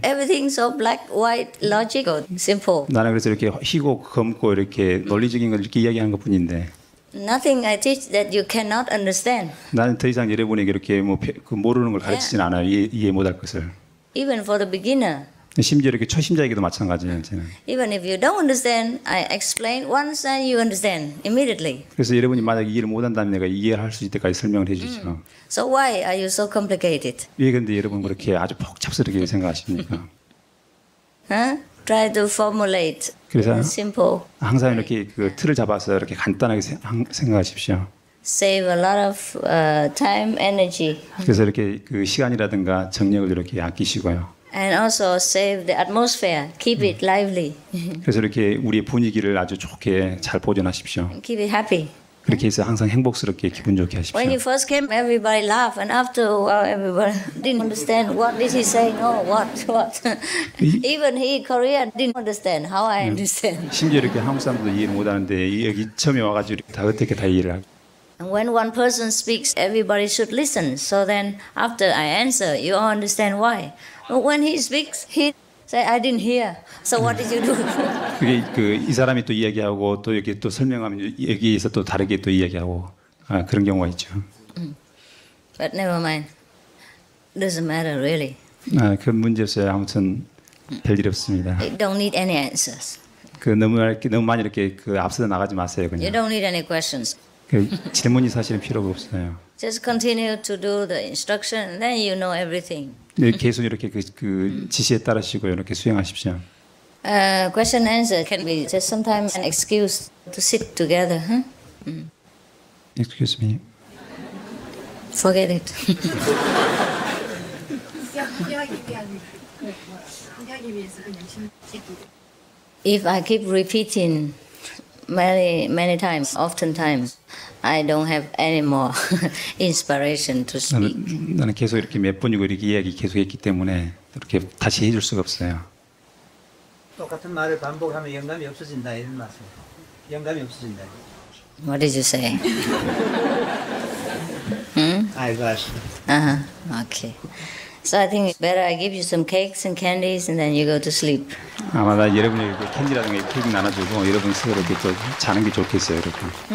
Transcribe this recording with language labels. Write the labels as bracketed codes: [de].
[en] Everything so black, white, logical, simple. [ko] 나는 그래서 이렇게 희고 검고 이렇게 논리적인 걸 이렇게 이야기한 것뿐인데. [en] Nothing I teach that you cannot understand. [ko] 나는 더 이상 여러분에게 이렇게 뭐 모르는 걸 가르치진 yeah. 않아요. 이해 못할 것을. [en] Even for the beginner. [ko] 심지어 이렇게 초심자에게도 마찬가지예요. 저는. [en] Even if you don't understand, I explain once and you understand immediately. [ko] 그래서 여러분이 만약 이해를 못한다면 내가 이해를 할 수 있을 때까지 설명을 해주죠. [en] So why are you so complicated? [ko] 왜 근데 여러분 그렇게 아주 복잡스럽게 생각하십니까? [en] Try to formulate. [ko] 그래서 [en] simple. [ko] 항상 이렇게 그 틀을 잡아서 이렇게 간단하게 생각하십시오. [en] Save a lot of time, energy. [ko] 그래서 이렇게 그 시간이라든가 정력을 이렇게 아끼시고요. [en] And also save the atmosphere. Keep it lively. [ko] 그래서 이렇게 우리의 분위기를 아주 좋게 잘 보존하십시오. [en] Keep it happy. [ko] 그렇게 해서 항상 행복스럽게 기분 좋게 하십시오. [en] When you first came, everybody laughed, and after a while, everybody didn't understand what did he say. No, what? Even he Korean didn't understand how I understand. [ko] 심지어 이렇게 한국 사람도 이해 못 하는데 여기 처음에 와가지고 다 어떻게 다 이해를 하고. [en] And when one person speaks, everybody should listen. So then, after I answer, you all understand why. When he speaks, he say, "I didn't hear." So what did you do? [ko] 그게 그 이 사람이 또 이야기하고 또 이렇게 또 설명하면 여기에서 또 다르게 또 이야기하고 그런 경우가 있죠. [en] But never mind. Doesn't matter really. [ko] 그 문제였어요. 아무튼 별일 없습니다. [en] You don't need any answers. [ko] 그 너무 많이 이렇게 그 앞서 나가지 마세요. 그냥. [en] You don't need any questions. [ko] 그 질문이 사실은 필요가 없어요. [en] Just continue to do the instruction, then you know everything. [ko] 네, 계속 이렇게 그 지시에 따르시고 이렇게 수행하십시오. [en] Question and answer can be just sometimes an excuse to sit together. Huh? Excuse me. Forget it. [ko] 그냥 [en] If I keep repeating many times, often times, I don't have any more inspiration to speak. [ko] 나는 계속 이렇게 몇 번이고 이렇게 이야기 계속했기 때문에 이렇게 다시 해줄 수가 없어요. 똑같은 말을 반복하면 영감이 없어진다 이런 말씀. 영감이 없어진다. [en] What did you say? [ko] 알고 왔어. [en] Okay. So I think better I give you some cakes and candies and then you go to sleep. [ko] 아마 나 여러분에게 캔디라든가 케이크 나눠주고 여러분 스스로 이렇게 자는 게 좋겠어요, 여러분.